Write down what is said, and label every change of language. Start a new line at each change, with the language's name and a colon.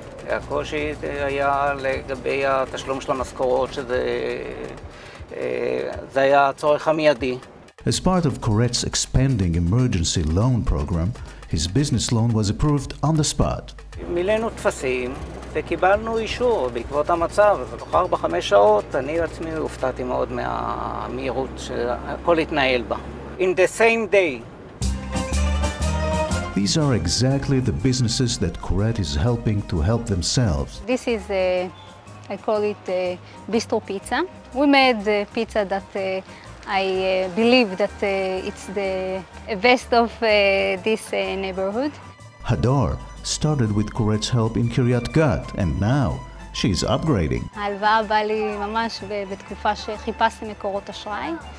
Hebrew: הקושי היה לגבי התשלום של המשכורות, שזה היה הצורך המיידי.
English: As part of Koret's expanding emergency loan program, his business loan was approved on the spot.
Hebrew: מילאנו תפסים וקיבלנו אישור בעקבות המצב, ובחר בחמש שעות אני עצמי הופתעתי מאוד מהמהירות שהכל התנהל בה.
English: In the same day. These are exactly the businesses that Koret is helping to help themselves. This is, I call it a bistro pizza. We made the pizza that I believe that it's the best of this neighborhood. Hadar started with Koret's help in Kiryat Gat, and now she's upgrading.
Hebrew: ההלוואה בא לי ממש בתקופה שחיפשתי מקורות אשראי.